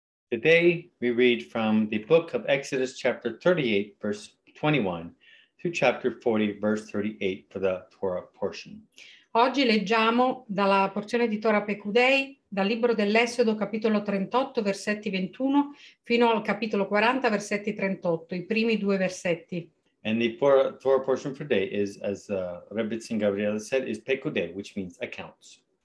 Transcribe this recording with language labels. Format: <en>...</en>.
<en>Today we read from the book of Exodus, chapter 38, verse 21, to chapter 40, verse 38, for the Torah portion.</en> <it>Oggi leggiamo dalla porzione di Torah Pecudei, dal libro dell'Esodo, capitolo 38, versetti 21, fino al capitolo 40, versetti 38, i primi due versetti.</it> <en>And the Torah portion for today is, as Rebbe Tzin Gabriel said, is Pecudei, which means accounts.</en>